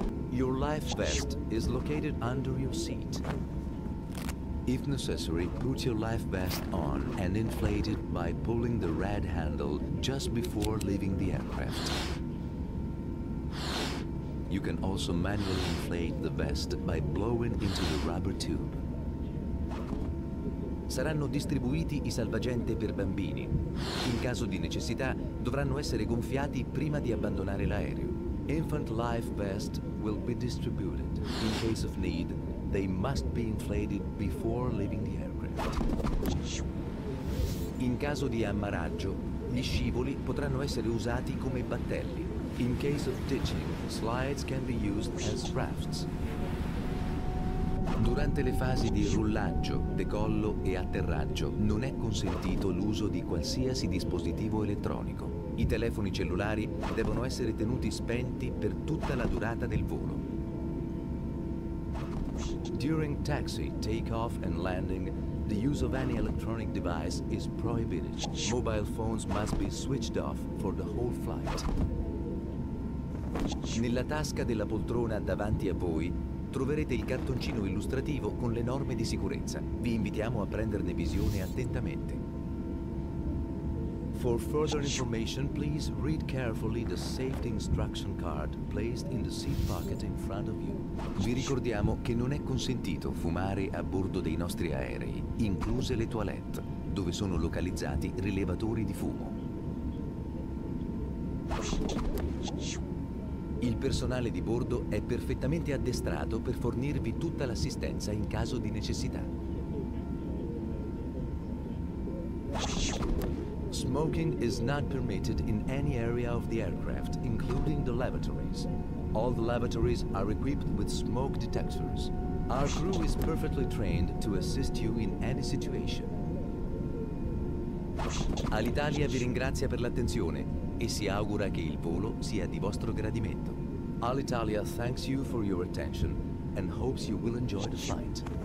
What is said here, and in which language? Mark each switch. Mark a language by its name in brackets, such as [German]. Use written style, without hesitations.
[English] Your life vest is located under your seat. If necessary, put your life vest on and inflate it by pulling the red handle just before leaving the aircraft. You can also manually inflate the vest by blowing into the rubber tube. [Italian] Saranno distribuiti i salvagente per bambini. In caso di necessità, dovranno essere gonfiati prima di abbandonare l'aereo. [English] Infant life vest will be distributed. In case of need, they must be inflated before leaving the aircraft. [Italian] In caso di ammaraggio, gli scivoli potranno essere usati come battelli. [English] In case of ditching, slides can be used as rafts. [Italian] Durante le fasi di rullaggio, decollo e atterraggio, non è consentito l'uso di qualsiasi dispositivo elettronico. I telefoni cellulari devono essere tenuti spenti per tutta la durata del volo. [English] During taxi, takeoff and landing, the use of any electronic device is prohibited. Mobile phones must be switched off for the whole flight. [Italian] Nella tasca della poltrona davanti a voi troverete il cartoncino illustrativo con le norme di sicurezza. Vi invitiamo a prenderne visione attentamente. [English] For further information, please read carefully the safety instruction card placed in the seat pocket in front of you. [Italian] Vi ricordiamo che non è consentito fumare a bordo dei nostri aerei, incluse le toilette, dove sono localizzati rilevatori di fumo. Il personale di bordo è perfettamente addestrato per fornirvi tutta l'assistenza in caso di necessità. [English] Smoking is not permitted in any area of the aircraft, including the lavatories. All the lavatories are equipped with smoke detectors. Our crew is perfectly trained to assist you in any situation. [Italian] Alitalia vi ringrazia per l'attenzione e si augura che il volo sia di vostro gradimento. [English] Alitalia thanks you for your attention and hopes you will enjoy the flight.